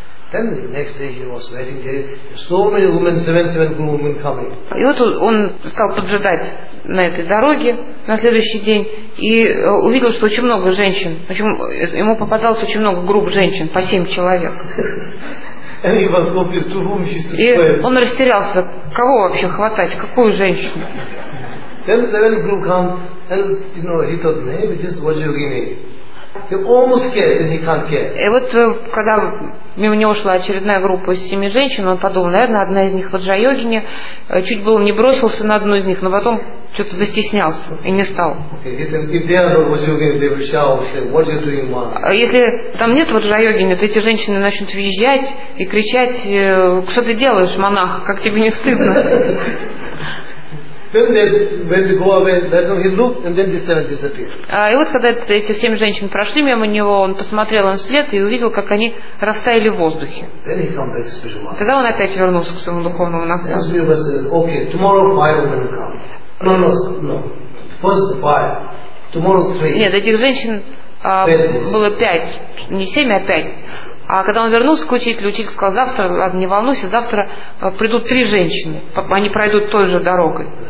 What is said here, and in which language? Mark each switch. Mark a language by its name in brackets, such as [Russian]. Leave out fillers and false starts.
[English] Then the next day he was waiting there. So many women, seven women coming. [Russian] И вот он стал поджидать на этой дороге на следующий день и увидел, что очень много женщин. Причем ему попадалось очень много групп женщин, по семь человек. [English] And he was confused, to whom she's to play. [Russian] И он растерялся, кого вообще хватать, какую женщину. [English] Then seven group come and, you know, he thought, maybe this was Ваджрайогини. [Russian] И вот когда мимо него шла очередная группа из семи женщин, он подумал, наверное, одна из них Ваджрайогини, чуть было не бросился на одну из них, но потом что-то застеснялся и не стал. Если там нет Ваджрайогини, то эти женщины начнут визжать и кричать: что ты делаешь, монах, как тебе не стыдно? [English] Then they, when they go away, let them, he looked, and then the seven disappeared. [Russian] И вот когда эти семь женщин прошли мимо него, он посмотрел им вслед и увидел, как они растаяли в воздухе. [English] Then he came back to spiritual master. [Russian] Тогда он опять вернулся к своему духовному наставнику. [English] Then spiritual master said, okay, tomorrow five women come. No. First five. Tomorrow three. [Russian] Нет, этих женщин было пять. Не семь, а пять. А когда он вернулся к учителю, учитель сказал: завтра, не волнуйся, завтра придут три женщины, они пройдут той же дорогой.